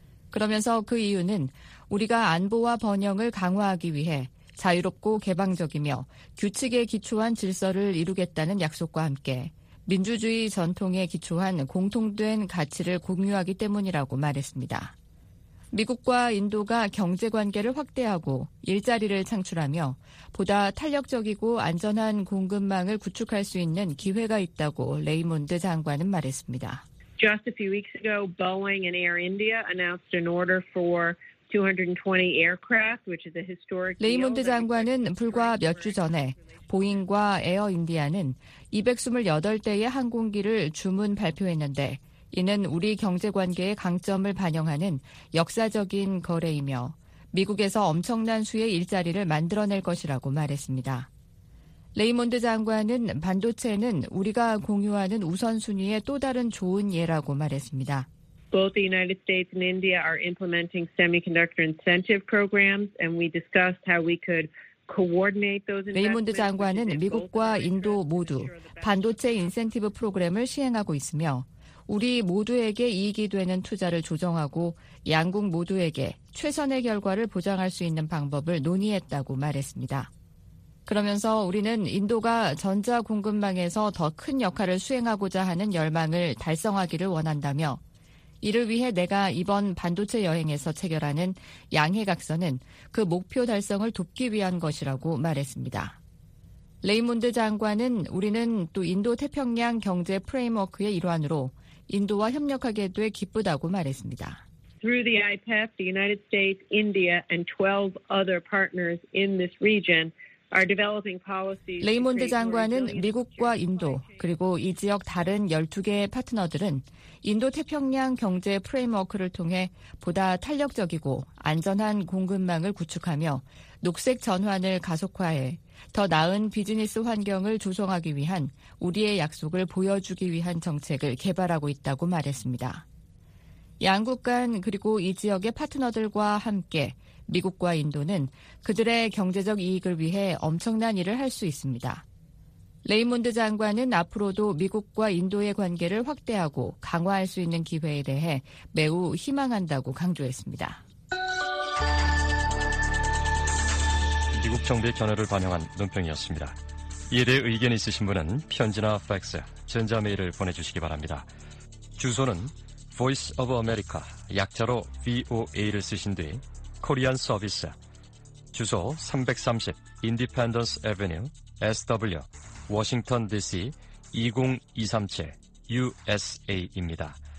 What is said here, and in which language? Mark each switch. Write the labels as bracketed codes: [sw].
[ko] 그러면서 그 이유는 우리가 안보와 번영을 강화하기 위해 자유롭고 개방적이며 규칙에 기초한 질서를 이루겠다는 약속과 함께 민주주의 전통에 기초한 공통된 가치를 공유하기 때문이라고 말했습니다. 미국과 인도가 경제관계를 확대하고 일자리를 창출하며 보다 탄력적이고 안전한 공급망을 구축할 수 있는 기회가 있다고 레이몬드 장관은 말했습니다. [en] Just a few weeks ago, Boeing and Air India announced an order for 220 aircraft, which is a historic deal. [ko] 레이몬드 장관은 불과 몇 주 전에 보잉과 에어인디아는 228대의 항공기를 주문 발표했는데 이는 우리 경제관계의 강점을 반영하는 역사적인 거래이며 미국에서 엄청난 수의 일자리를 만들어낼 것이라고 말했습니다. 레이몬드 장관은 반도체는 우리가 공유하는 우선순위의 또 다른 좋은 예라고 말했습니다. [en] Both the United States and India are implementing semiconductor incentive programs, and we discussed how we could coordinate those investments. [ko] 레이몬드 장관은 미국과 인도 모두 반도체 인센티브 프로그램을 시행하고 있으며 우리 모두에게 이익이 되는 투자를 조정하고 양국 모두에게 최선의 결과를 보장할 수 있는 방법을 논의했다고 말했습니다. 그러면서 우리는 인도가 전자 공급망에서 더 큰 역할을 수행하고자 하는 열망을 달성하기를 원한다며 이를 위해 내가 이번 반도체 여행에서 체결하는 양해각서는 그 목표 달성을 돕기 위한 것이라고 말했습니다. 레이몬드 장관은 우리는 또 인도 태평양 경제 프레임워크의 일환으로 인도와 협력하게 돼 기쁘다고 말했습니다. [en] Through the IPEF, the United States, India and 12 other partners in this region are developing policies. [ko] 레이몬드 장관은 미국과 인도 그리고 이 지역 다른 12개의 파트너들은 인도 태평양 경제 프레임워크를 통해 보다 탄력적이고 안전한 공급망을 구축하며 녹색 전환을 가속화해 더 나은 비즈니스 환경을 조성하기 위한 우리의 약속을 보여주기 위한 정책을 개발하고 있다고 말했습니다. 양국 간 그리고 이 지역의 파트너들과 함께 미국과 인도는 그들의 경제적 이익을 위해 엄청난 일을 할 수 있습니다. 레이몬드 장관은 앞으로도 미국과 인도의 관계를 확대하고 강화할 수 있는 기회에 대해 매우 희망한다고 강조했습니다. 미국 정부의 견해를 반영한 논평이었습니다. 이에 대해 의견 있으신 분은 편지나 팩스, 전자메일을 보내주시기 바랍니다. 주소는 Voice of America, 약자로 VOA를 쓰신 뒤 Korean Service, 주소 330 Independence Avenue, SW, Washington DC 20237, USA입니다.